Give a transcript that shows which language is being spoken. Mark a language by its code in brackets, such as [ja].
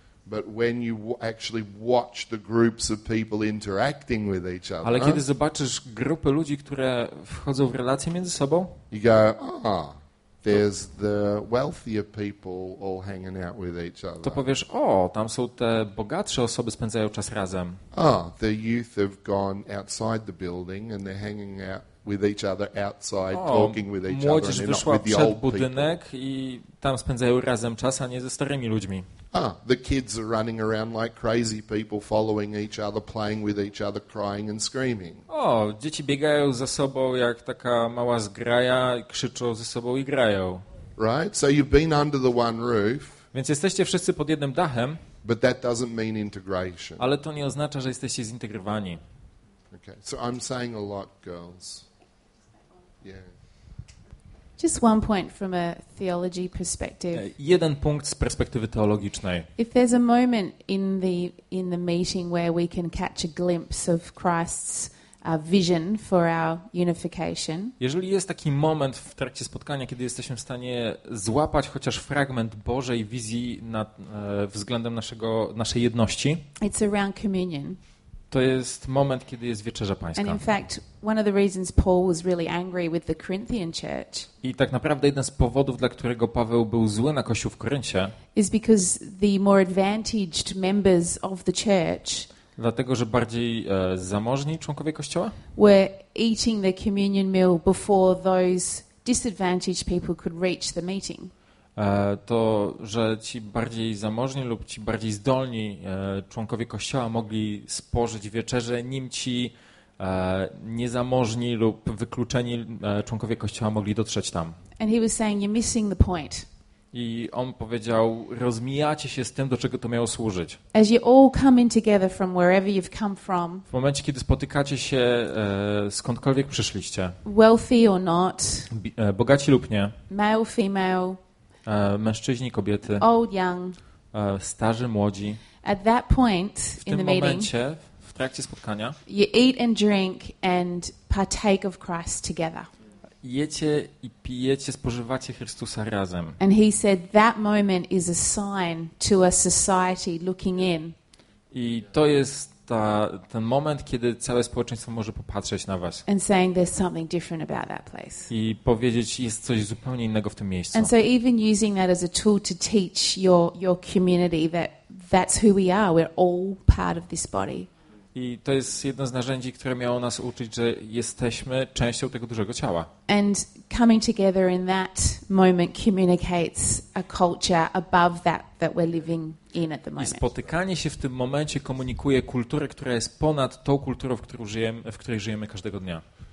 [en] But when you actually watch the groups of people interacting with each other. [pl] Ale kiedy zobaczysz grupę ludzi, które wchodzą w relacje między sobą? [en] You go, oh. There's the wealthier people all hanging out with each other. [pl] To powiesz, o, tam są te bogatsze osoby, spędzają czas razem. [en] Oh, the youth have gone outside the building and they're hanging out with each other outside, talking with each other and not with the old [pl] budynek [en] people. [pl] I tam spędzają razem czas, a nie ze starymi ludźmi. [en] Oh, the kids are running around like crazy people, following each other, playing with each other, crying and screaming. [pl] O, dzieci biegają za sobą jak taka mała zgraja, krzyczą ze sobą i grają. [en] Right? So you've been under the one roof. [pl] Więc jesteście wszyscy pod jednym dachem. [en] But that doesn't mean integration. [pl] Ale to nie oznacza, że jesteście zintegrowani. [en] Okay. So I'm saying a lot, girls. Yeah. Just one point from a theology perspective. [pl] Jeden punkt z perspektywy teologicznej. [en] If there's a moment in the meeting where we can catch a glimpse of Christ's vision for our unification. [pl] Jeżeli jest taki moment w trakcie spotkania, kiedy jesteśmy w stanie złapać chociaż fragment Bożej wizji nad względem naszej jedności. [en] It's around communion. [pl] To jest moment, kiedy jest Wieczerza Pańska. [en] And in fact, one of the reasons Paul was really angry with the Corinthian church. [pl] I tak naprawdę jeden z powodów, dla którego Paweł był zły na kościół w Koryncie, [en] is because the more advantaged members of the church. [pl] Dlatego, że bardziej zamożni członkowie kościoła [en] were eating the communion meal before those disadvantaged people could reach the meeting. [pl] To, że ci bardziej zamożni lub ci bardziej zdolni członkowie kościoła mogli spożyć wieczerzę, nim ci niezamożni lub wykluczeni członkowie kościoła mogli dotrzeć tam. [en] And he was saying, "You're missing the point." [pl] I on powiedział, rozmijacie się z tym, do czego to miało służyć. [en] As you all come in together from wherever you've come from, [pl] w momencie, kiedy spotykacie się skądkolwiek przyszliście, [en] wealthy or not, [pl] bogaci lub nie, [en] male, female, [pl] mężczyźni, kobiety, [en] old, young, [pl] starzy, młodzi. [en] At that point in the meeting, [pl] w tym momencie, w trakcie spotkania, [en] you eat and drink and partake of Christ together. [pl] Jecie i pijecie, spożywacie Chrystusa razem. [en] And he said that moment is a sign to a society looking in. [pl] I to jest ten moment, kiedy całe społeczeństwo może popatrzeć na was. [en] And saying there's something different about that place. [pl] I powiedzieć, jest coś zupełnie innego w tym miejscu. [en] And so even using that as a tool to teach your community that's who we are. We're all part of this body. [pl] I to jest jedno z narzędzi, które miało nas uczyć, że jesteśmy częścią tego dużego ciała. [en] And coming together in that moment communicates a culture above that we're living in at the moment. [pl] I spotykanie się w tym momencie komunikuje kulturę, która jest ponad tą kulturą, w której żyjemy każdego dnia.